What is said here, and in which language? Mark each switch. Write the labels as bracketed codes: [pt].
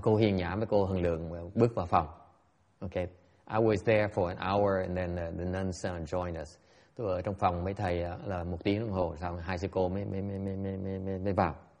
[vi] Cô Hiền Nhã với cô Hằng Lượng bước vào phòng. [en] Okay, I was there for an hour and then the nuns joined us. [vi] Tôi ở trong phòng mấy thầy là một tiếng đồng hồ, xong hai sư cô mới vào.